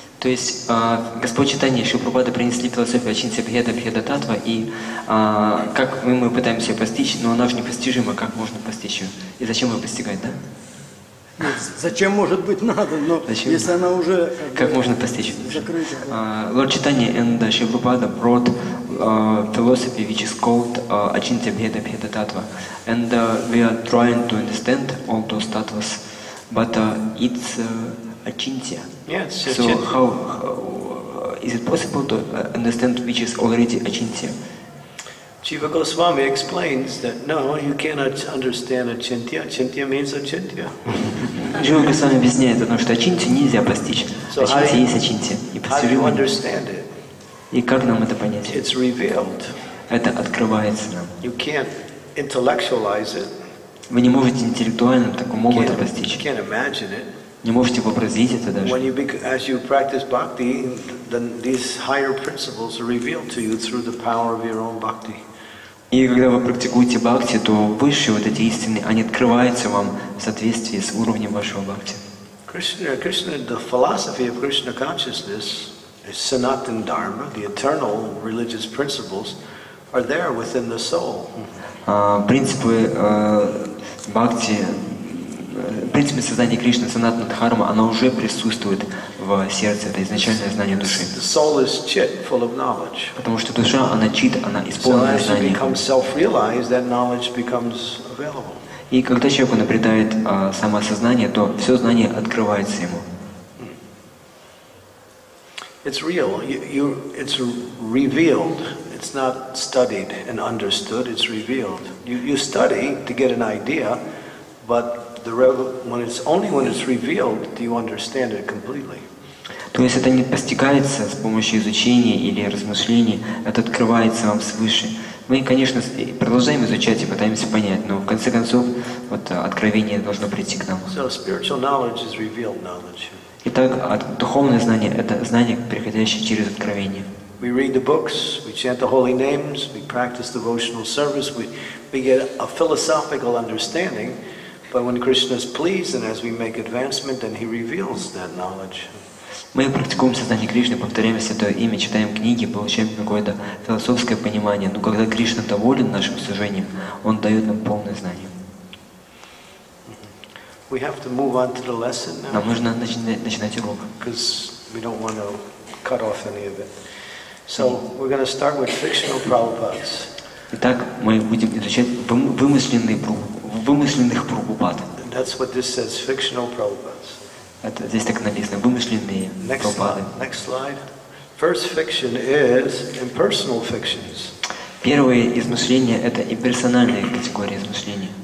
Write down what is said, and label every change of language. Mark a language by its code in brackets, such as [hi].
[ru] То есть Господь Чайтанья и Шрила Прабхупада принесли философию Ачинтья Бхеда Бхеда Таттва, и как мы пытаемся ее постичь, но она же непостижима, как можно постичь ее? И зачем ее постигать, да? Нет, зачем, может быть, надо, но зачем? Если она уже как бы, можно постичь? Закрыта. [en] Лорд Чайтанья энд Шрила Прабхупада брот философии, which is called Ачинтья Бхеда Бхеда Таттва. And we are trying to understand all those tattvas, but it's Ачинтья. Yes, so how is it possible to understand which is already Ачинтья? Jiva Goswami explains that no, you cannot understand Ачинтья. Ачинтья means Ачинтья. [ru] Jiva Goswami объясняет, что Ачинтья нельзя постичь. Ачинтья есть Ачинтья. [en] How do you understand it? [ru] И как нам это понять? [en] It's revealed. [ru] Это открывается нам. [en] You can't intellectualize it. [ru] Вы не можете интеллектуально такому это постичь. [en] You can't imagine it. [ru] Не можете вообразить это даже. [en] When you as you practice bhakti, then these higher principles are revealed to you through the power of your own bhakti. [ru] И когда вы практикуете бхакти, то высшие вот эти истины, они открываются вам в соответствии с уровнем вашего бхакти. [en] Krishna, the philosophy of Krishna consciousness, Sanatan Dharma, the eternal religious principles, are there within the soul. [ru] Принципы бхакти. В принципе, сознание Кришны, санатна дхарма, оно уже присутствует в сердце, это изначальное знание души. [en] The soul is chit, full of knowledge. [ru] Потому что душа, она чит, она исполнена знанием. [en] So as you become self-realized, that knowledge becomes available. [ru] И когда человек обретает самосознание, то все знание открывается ему. [en] It's real. It's revealed. It's not studied and understood. It's revealed. You study to get an idea, but when it's revealed, do you understand it completely? [ru] То есть это не постигается с помощью изучения или размышлений, это открывается вам свыше. Мы, конечно, продолжаем изучать и пытаемся понять, но в конце концов вот откровение должно прийти к нам. [en] So spiritual knowledge is revealed knowledge. [ru] Итак, духовное знание — это знание, приходящее через откровение. [en] We read the books, we chant the holy names, we practice devotional service, we get a philosophical understanding. But when Krishna is pleased and as we make advancement, then he reveals that knowledge. [ru] Мы практикуем сознание Кришны, повторяем Святое Имя, читаем книги, получаем какое-то философское понимание. Но когда Кришна доволен нашим служением, он дает нам полное знание. [en] We have to move on to the lesson now. [ru] Нам нужно начинать урок. [en] Because we don't want to cut off any of it. So we're going to start with fictional Prabhupadas. [ru] Итак, мы будем изучать вымышленные Прабхупады. Вымышленных Прабхупад. [en] That's what this says, fictional Prabhupadas. [ru] Это здесь так написано, вымышленные Прабхупады. [en] Next slide. First fiction is impersonal fictions. [ru] Первые измышления — это имперсональные категории измышлений.